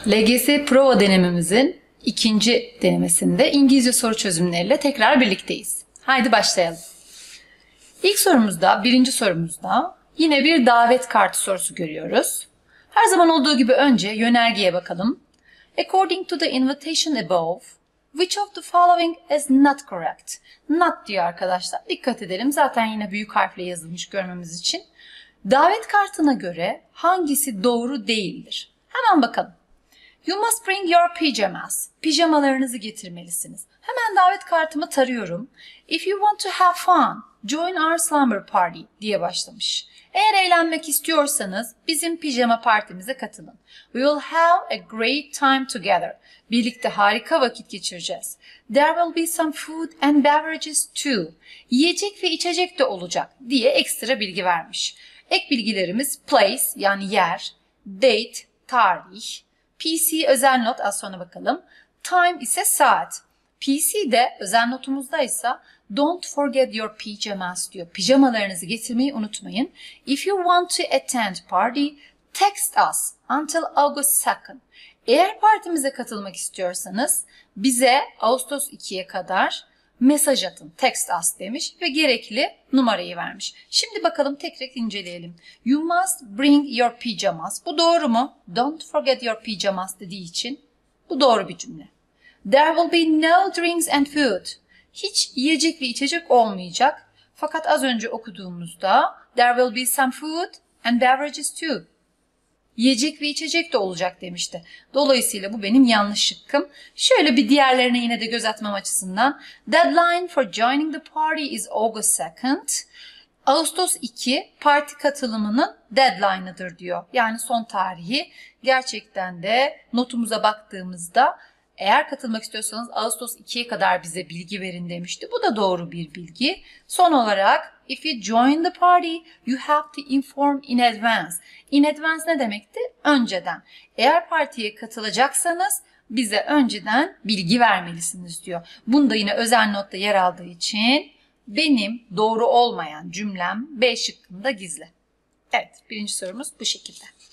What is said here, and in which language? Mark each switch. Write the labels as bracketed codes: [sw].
[tr] LGS prova denememizin ikinci denemesinde İngilizce soru çözümleriyle tekrar birlikteyiz. Haydi başlayalım. İlk sorumuzda, birinci sorumuzda yine bir davet kartı sorusu görüyoruz. Her zaman olduğu gibi önce yönergeye bakalım. [en] According to the invitation above, which of the following is not correct? [tr] Not diyor arkadaşlar. Dikkat edelim. Zaten yine büyük harfle yazılmış görmemiz için. Davet kartına göre hangisi doğru değildir? Hemen bakalım. [en] You must bring your pajamas. [tr] Pijamalarınızı getirmelisiniz. Hemen davet kartımı tarıyorum. [en] If you want to have fun, join our slumber party [tr] diye başlamış. Eğer eğlenmek istiyorsanız bizim pijama partimize katılın. [en] We will have a great time together. [tr] Birlikte harika vakit geçireceğiz. [en] There will be some food and beverages too. [tr] Yiyecek ve içecek de olacak diye ekstra bilgi vermiş. Ek bilgilerimiz place yani yer, date tarih, PC özel not az sonra bakalım, time ise saat. PC de özel notumuzda ise [en] don't forget your pajamas [tr] diyor. Pijamalarınızı getirmeyi unutmayın. [en] If you want to attend party, text us until August 2nd. [tr] Eğer partimize katılmak istiyorsanız bize Ağustos 2'ye kadar mesaj atın, [en] text us [tr] demiş ve gerekli numarayı vermiş. Şimdi bakalım tekrar inceleyelim. [en] You must bring your pajamas. [tr] Bu doğru mu? [en] Don't forget your pajamas [tr] dediği için bu doğru bir cümle. [en] There will be no drinks and food. [tr] Hiç yiyecek ve içecek olmayacak. Fakat az önce okuduğumuzda [en] there will be some food and beverages too. [tr] Yiyecek ve içecek de olacak demişti. Dolayısıyla bu benim yanlış şıkkım. Şöyle bir diğerlerine yine de göz atmam açısından. [en] Deadline for joining the party is August 2nd. [tr] Ağustos 2 parti katılımının deadline'ıdır diyor. Yani son tarihi. Gerçekten de notumuza baktığımızda eğer katılmak istiyorsanız Ağustos 2'ye kadar bize bilgi verin demişti. Bu da doğru bir bilgi. Son olarak [en] if you join the party, you have to inform in advance. In advance [tr] ne demekti? Önceden. Eğer partiye katılacaksanız bize önceden bilgi vermelisiniz diyor. Bunda yine özel notta yer aldığı için benim doğru olmayan cümlem B şıkkında gizli. Evet, birinci sorumuz bu şekilde.